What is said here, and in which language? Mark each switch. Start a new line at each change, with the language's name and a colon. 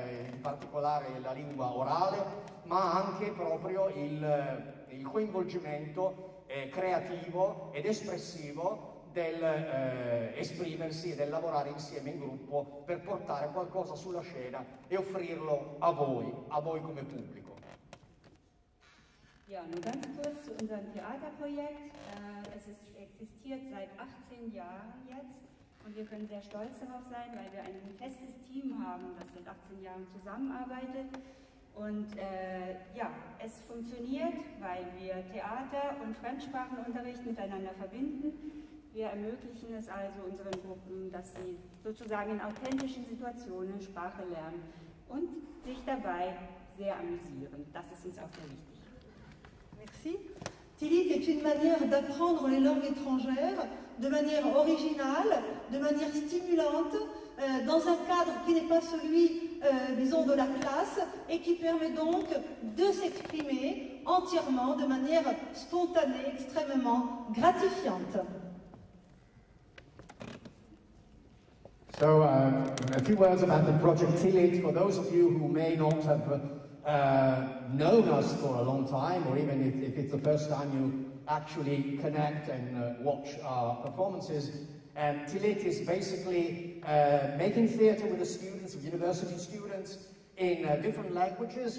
Italian: in particolare la lingua orale, ma anche proprio il coinvolgimento creativo ed espressivo del esprimersi e del lavorare insieme in gruppo per portare qualcosa sulla scena e offrirlo a voi come pubblico.
German: Ja, nur ganz kurz zu unserem Theaterprojekt. Es existiert seit 18 Jahren jetzt und wir können sehr stolz darauf sein, weil wir ein festes Team haben, das seit 18 Jahren zusammenarbeitet. Und ja, es funktioniert, weil wir Theater und Fremdsprachenunterricht miteinander verbinden. Wir ermöglichen es also unseren Gruppen, dass sie sozusagen in authentischen Situationen Sprache lernen und sich dabei sehr amüsieren. Das ist uns auch sehr wichtig.
French: Merci. Tillit est une manière d'apprendre les langues étrangères de manière originale, de manière stimulante, dans un cadre qui n'est pas celui, disons, de la classe, et qui permet donc de s'exprimer entièrement, de manière spontanée, extrêmement gratifiante.
English: So, a few words about the project Tillit for those of you who may not have known us for a long time, or even if it's the first time you actually connect and watch our performances. Tillit is basically making theatre with the students, with university students, in different languages.